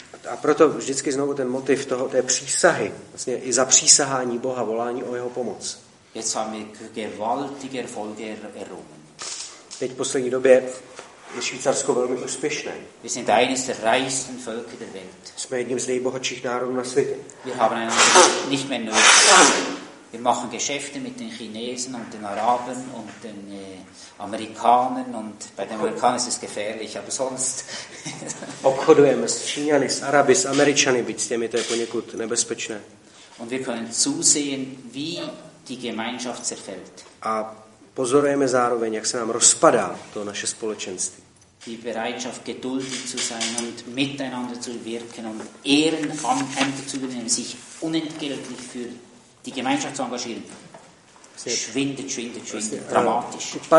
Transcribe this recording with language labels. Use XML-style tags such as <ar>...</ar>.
<cs>A proto vždycky znovu ten motiv toho, té přísahy, vlastně i za přísahání Boha, volání o jeho pomoc.</cs> <de>Jetzt haben wir gewaltige Erfolge errungen.</de> <cs>Teď v poslední době je Švýcarsko velmi úspěšné.</cs> <de>Wir sind eines der reichsten Völker der Welt.</de> <cs>Jsme jedním z nejbohatších národů na světě.</cs> <de>Wir haben einander nicht mehr nötig. Wir machen Geschäfte mit den Chinesen und den Arabern und den Amerikanern und bei den Amerikanern ist es gefährlich, aber sonst</de> <cs>obchodujeme s Číňany, s Araby, s Američany, byť s těmi, to je poněkud nebezpečné.</cs> <de>Und wir können zusehen, wie die Gemeinschaft zerfällt.</de> <cs>A pozorujeme zároveň, jak se nám rozpadá to naše společenství.</cs> <de>Die Bereitschaft, geduldig zu sein und miteinander zu wirken und Ehrenämter zu übernehmen, sich unentgeltlich für die Gemeinschaft zu engagieren, schwindet, dramatisch.</de>